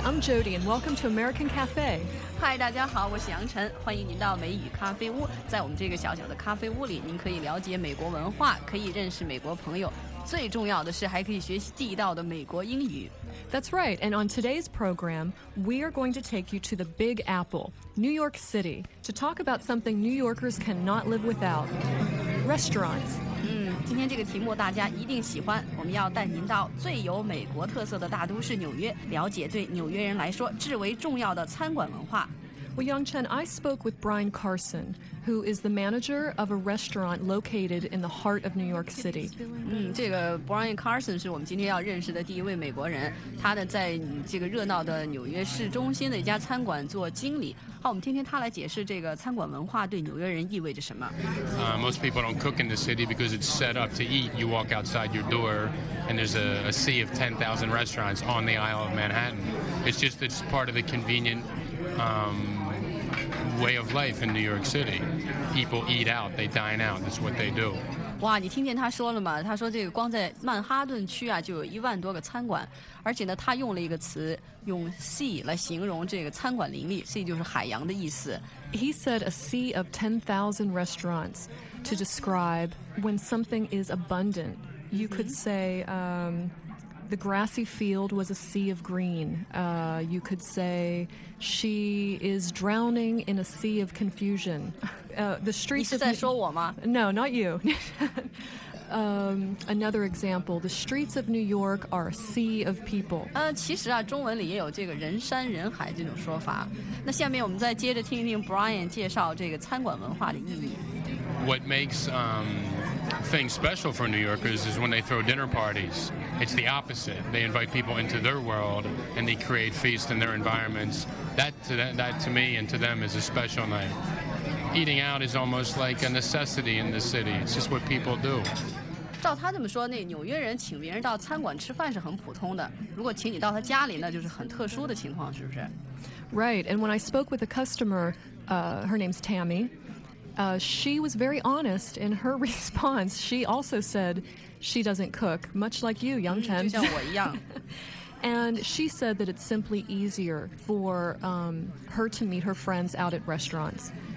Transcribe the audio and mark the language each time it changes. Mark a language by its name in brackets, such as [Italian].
[English] I'm Jody, and welcome to American Cafe. [Chinese] Hi, 大家好，我是杨晨，欢迎您到美语咖啡屋。在我们这个小小的咖啡屋里，您可以了解美国文化，可以认识美国朋友，最重要的是还可以学习地道的美国英语。 [English] That's right. And on today's program, we are going to take you to the Big Apple, New York City, to talk about something New Yorkers cannot live without: restaurants. [Chinese] 今天这个题目大家一定喜欢，我们要带您到最有美国特色的大都市纽约，了解对纽约人来说至为重要的餐馆文化。 [English] Well, Yangchen, I spoke with Brian Carson, who is the manager of a restaurant located in the heart of New York City. [Chinese] 这个 Brian Carson 是我们今天要认识的第一位美国人，他的在这个热闹的纽约市中心的一家餐馆做经理。好，我们听听他来解释这个餐馆文化对纽约人意味着什么。 [English] Most people don't cook in the city because it's set up to eat. You walk outside your door, and there's a sea of 10,000 restaurants on the Isle of Manhattan. It's just it's part of the convenient. Way of life in New York City. People eat out, they dine out, that's what they do. [Chinese] 哇，你听见他说了吗？他说这个光在曼哈顿区啊，就有10,000多个餐馆，而且呢，他用了一个词，用 sea 来形容这个餐馆林立 ，sea 就是海洋的意思。 [English] He said a sea of 10,000 restaurants to describe when something is abundant. You could say, The grassy field was a sea of green. You could say she is drowning in a sea of confusion. The streets. [Chinese] 你是在说我吗 [English] ？No, not you. another example: the streets of New York are a sea of people. [Chinese] 其实啊，中文里也有这个人山人海这种说法。那下面我们再接着听一听 Brian 介绍这个餐馆文化的意义。 [English] What makes things special for New Yorkers is when they throw dinner parties. It's the opposite. They invite people into their world and they create feasts in their environments. That to me and to them is a special night. Eating out is almost like a necessity in the city. It's just what people do. [Chinese] 照他这么说，那纽约人请别人到餐馆吃饭是很普通的。如果请你到他家里，那就是很特殊的情况，是不是 [English] ？Right. And when I spoke with a customer, her name's Tammy. She was very honest in her response. She also said she doesn't cook, much like you, Yangchen. [Chinese] 就像我一样。 [English] And she said that it's simply easier for her to meet her friends out at restaurants.